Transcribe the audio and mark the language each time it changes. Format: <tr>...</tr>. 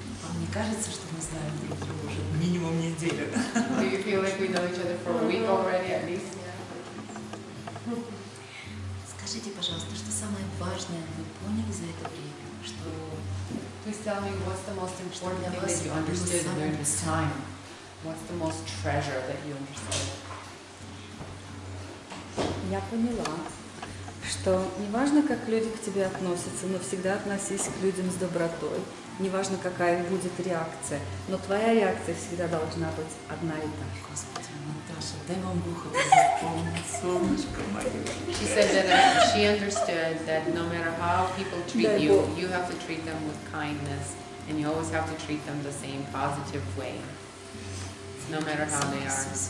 <ru>Вам не кажется, что мы знаем друг друга уже минимум неделю?</ru> <en>Do you feel like we know each other for a week already at least?</en> <ru>Скажите, пожалуйста, что самое важное вы поняли за это время? Что?</ru> <en>Please tell me what's the most important thing that you understood during this time. What's the most treasure that you understood?</en> <ru>Я поняла, что неважно, как люди к тебе относятся, но всегда относись к людям с добротой. Неважно, какая будет реакция, но твоя реакция всегда должна быть одна и та. Господи, Наташа, дай вам Бог помочь, солнышко мое.</ru> <en>She said that she understood that no matter how people treat you, you have to treat them with kindness, and you always have to treat them the same positive way, no matter how they are.</en>